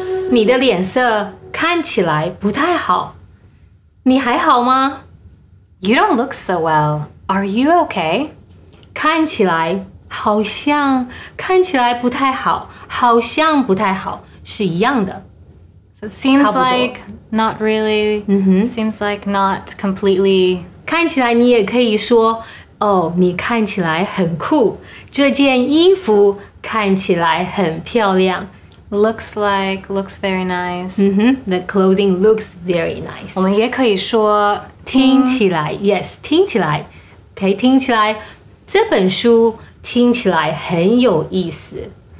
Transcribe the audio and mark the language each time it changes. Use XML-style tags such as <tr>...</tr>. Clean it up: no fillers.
<zh>你的脸色看起来不太好，你还好吗？</zh> <en>You don't look so well. Are you okay?</en> <zh>看起来好像，看起来不太好，好像不太好，是一样的。</zh> <en>So seems like not really, seems like not completely.</en> <zh>看起来你也可以说，哦，你看起来很酷，这件衣服看起来很漂亮。</zh> <en>Looks like, looks very nice. The clothing looks very nice.</en> <zh>我们也可以说听起来，yes, 听起来。Okay, 听起来，这本书听起来很有意思。</zh>